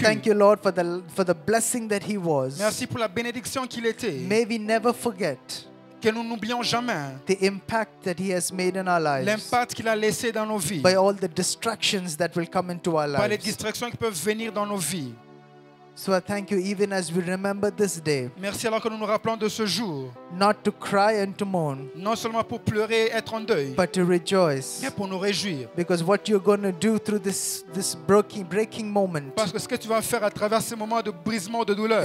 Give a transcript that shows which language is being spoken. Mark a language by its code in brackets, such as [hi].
[en] I thank you Lord for the blessing that he was. [fr] Merci pour la bénédiction qu'il était. [en] May we never forget. [fr] Que nous n'oublions jamais. [en] The impact that he has made in our lives. [fr] L'impact qu'il a laissé dans nos vies. [en] By all the distractions that will come into our lives. [fr] Par les distractions qui peuvent venir dans nos vies. [en] So I thank you even as we remember this day. [fr] Merci alors que nous nous rappelons de ce jour. [en] Not to cry and to mourn. [fr] Non seulement pour pleurer et être en deuil. [en] But to rejoice. [fr] Mais pour nous réjouir. [en] Because what you're going to do through this breaking moment. [fr] Parce que ce que tu vas faire à travers ce moment de brisement de douleur.